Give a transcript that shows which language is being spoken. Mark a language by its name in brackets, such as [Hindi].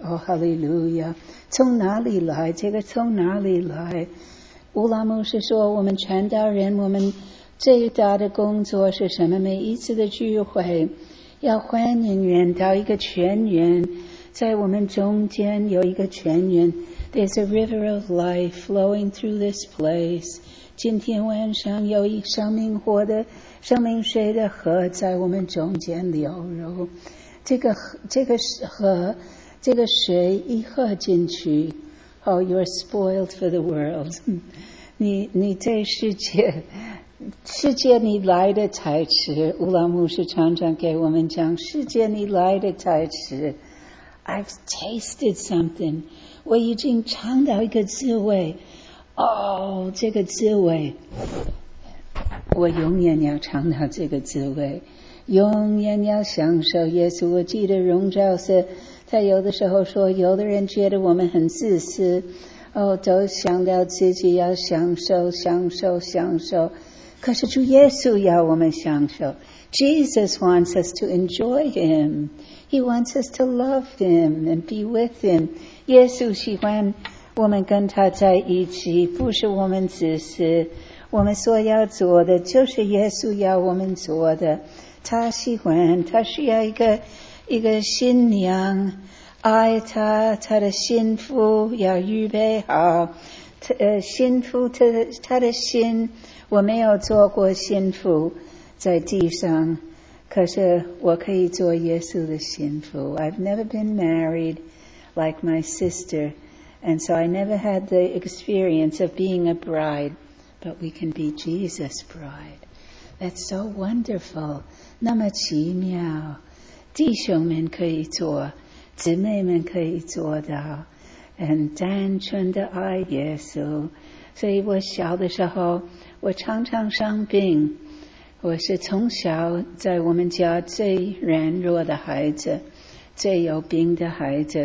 [Chinese] 哦，哈利路亚！从哪里来？这个从哪里来？乌拉姆是说，我们传道人，我们最大的工作是什么？每一次的聚会，要欢迎人到一个泉源，在我们中间有一个泉源。 [English] There's a river of life flowing through this place. [Chinese] 今天晚上有一生命活的生命水的河在我们中间流入。这个河，这个水一喝进去 ， [English] Oh, you're spoiled for the world. [Chinese] 你这世界你来的太迟。乌拉牧师常常给我们讲，世界你来的太迟。 [English] I've tasted something. [Chinese] 我已经尝到一个滋味。哦，这个滋味，我永远要尝到这个滋味，永远要享受耶稣。我记得荣教授，他有的时候说，有的人觉得我们很自私，哦，都想到自己要享受，享受，享受。可是主耶稣要我们享受。 [English] Jesus wants us to enjoy him. He wants us to love him and be with him. [Chinese] 耶稣喜欢我们跟他在一起，不是我们自私。我们所要做的就是耶稣要我们做的。他喜欢，他需要一个新娘爱他，他的心腹要预备好。心腹他的心，我没有做过心腹在地上，可是我可以做耶稣的心腹。 [English] I've never been married like my sister, and so I never had the experience of being a bride, but we can be Jesus' bride. That's so wonderful. [Chinese] 那么奇妙，弟兄们可以做，姊妹们可以做到，很单纯的爱耶稣。所以我小的时候，我常常生病。我是从小在我们家最软弱的孩子，最有病的孩子。